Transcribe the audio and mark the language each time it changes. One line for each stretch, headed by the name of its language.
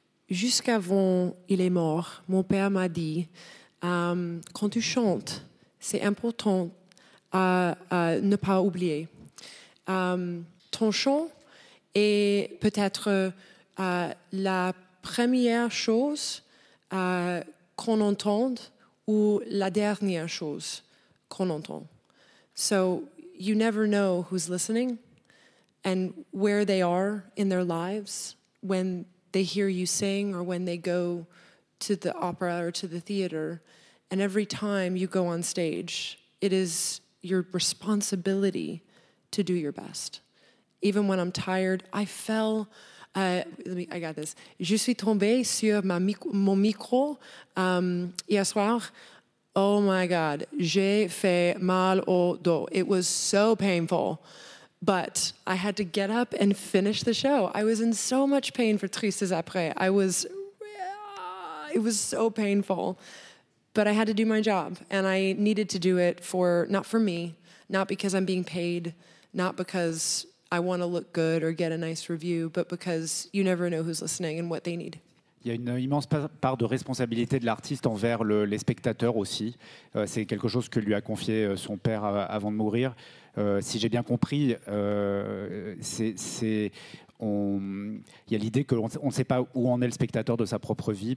French: Jusqu'avant il est mort, mon père m'a dit quand tu chantes, c'est important à ne pas oublier. Ton chant est peut-être la première chose qu'on entende ou la dernière chose qu'on entend.
English: So you never know who's listening and where they are in their lives when they hear you sing or when they go to the opera or to the theater. And every time you go on stage, it is your responsibility to do your best. Even when I'm tired, I fell... I got this.
French: Je suis tombée sur mon micro hier soir.
English: Oh my God,
French: j'ai fait mal au dos.
English: It was so painful. But I had to get up and finish the show. I was in so much pain for Tristes après. It was so painful. But I had to do my job. And I needed to do it not for me, not because I'm being paid, not because I want to look good or get a nice review, but because you never know who's listening and what they need.
French: Il y a une immense part de responsabilité de l'artiste envers les spectateurs aussi. C'est quelque chose que lui a confié son père avant de mourir. Si j'ai bien compris, c'est y a l'idée qu'on ne sait pas où en est le spectateur de sa propre vie.